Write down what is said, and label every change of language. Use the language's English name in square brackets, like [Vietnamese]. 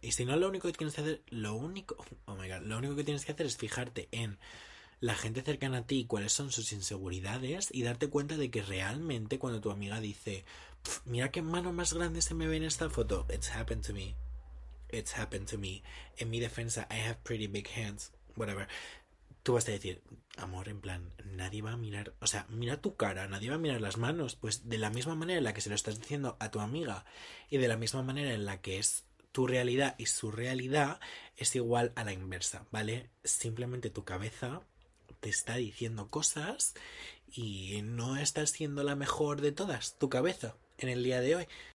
[Spanish] Y si no, lo único que tienes que hacer, lo único, [English] oh my God, [Spanish] lo único que tienes que hacer es fijarte en la gente cercana a ti y cuáles son sus inseguridades y darte cuenta de que realmente cuando tu amiga dice, mira qué mano más grande se me ve en esta foto, [English] it's happened to me. It's happened to me. [Spanish] En mi defensa, [English] I have pretty big hands. Whatever. [Spanish] Tú vas a decir, amor, en plan, nadie va a mirar, o sea, mira tu cara, nadie va a mirar las manos. Pues de la misma manera en la que se lo estás diciendo a tu amiga y de la misma manera en la que es tu realidad y su realidad, es igual a la inversa, ¿vale? Simplemente tu cabeza te está diciendo cosas y no estás siendo la mejor de todas, tu cabeza, en el día de hoy.